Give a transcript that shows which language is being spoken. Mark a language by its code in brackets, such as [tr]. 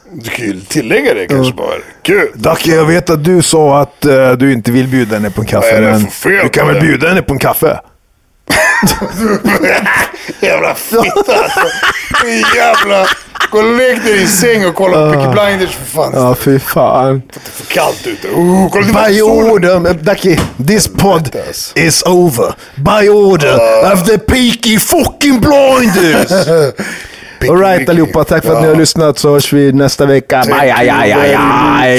[sv] Du kan ju tillägga det kanske bara. Kul. Dacke, jag vet att du sa att du inte vill bjuda henne på en kaffe. Vad är det men för fel du kan det? Väl bjuda henne på en kaffe? Jävla fitta alltså. Jävla. Gå och lägg dig i säng och kolla på Peaky Blinders för fan. Ja, fy fan. Det är för kallt ute. [en] By order, Dacke, this pod is over. By order of the Peaky fucking Blinders. All right, [sv] allihopa. Tack för att ni har lyssnat. Så hörs vi nästa vecka. Bye.